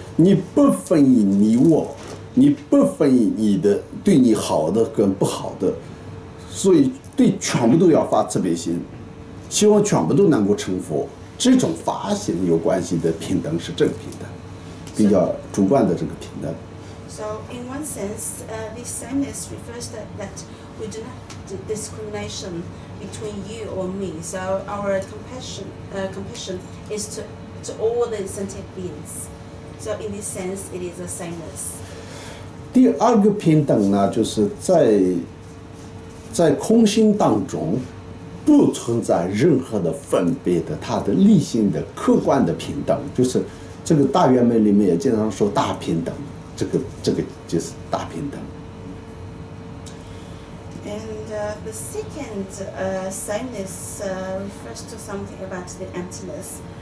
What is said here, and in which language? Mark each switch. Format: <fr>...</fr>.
<zh>你不分于你我，你不分于你的对你好的跟不好的，所以对全部都要发慈悲心，希望全部都能够成佛。这种发心有关系的平等是这个平等，比较主观的这个平等。</zh> <en>So in one sense, this sameness refers to that we do not discrimination between you or me. So our compassion is to all the sentient beings. So in this sense, it is a sameness.</en> <zh>第二个平等呢，就是在空性当中，不存在任何的分别的，它的立性的客观的平等，就是这个大圆满里面也经常说大平等，这个就是大平等。</zh> <en>And the second sameness refers to something about the emptiness.</en>